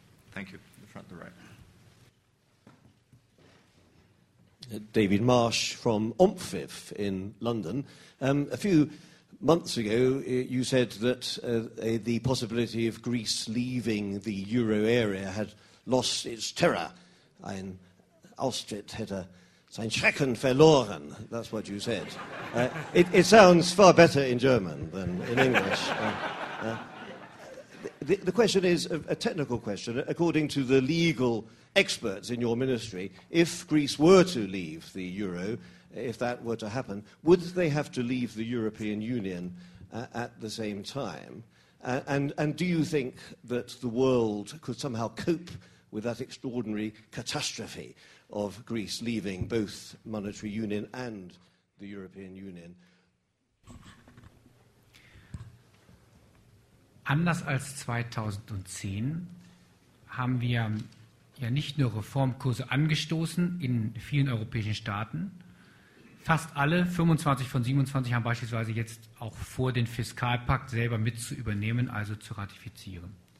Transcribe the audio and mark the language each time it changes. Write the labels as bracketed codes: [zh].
[en] Thank you. The front, the right. David Marsh from OMFIF in London. A few months ago, you said that the possibility of Greece leaving the euro area had lost its terror. [de] Ein Austritt hätte sein Schrecken verloren. [en] That's what you said. It sounds far better in German than in English. The question is a technical question. According to the legal experts in your ministry, if Greece were to leave the euro, if that were to happen, would they have to leave the European Union at the same time? And do you think that the world could somehow cope with that extraordinary catastrophe of Greece leaving both monetary union and the European Union? [de] Anders als 2010 haben wir ja nicht nur Reformkurse angestoßen in vielen europäischen Staaten. Fast alle, 25 von 27, haben beispielsweise jetzt auch vor, den Fiskalpakt selber mit zu übernehmen, also zu ratifizieren.